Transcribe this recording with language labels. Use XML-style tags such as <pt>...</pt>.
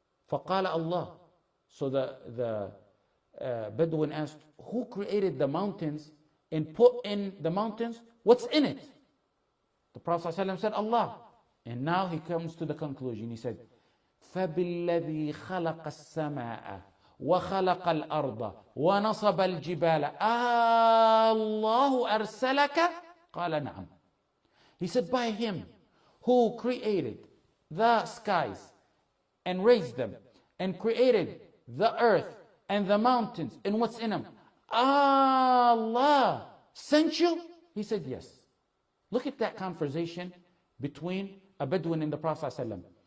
<ar>فَقَالَ Allah.</ar> <en>So the Bedouin asked, who created the mountains and put in the mountains, what's in it? The Prophet ﷺ said, Allah. And now he comes to the conclusion. He said,</en> <ar>فَبِالَّذِي خَلَقَ السَّمَاءَ وَخَلَقَ الْأَرْضَ وَنَصَبَ الْجِبَالَ أَاللَّهُ أَرْسَلَكَ قَالَ نَعَمْ.</ar> <en>He said, by him who created the skies and raised them and created the earth and the mountains and what's in them, Allah sent you? He said, yes. Look at that conversation between a Bedouin and the Prophet ﷺ.</en>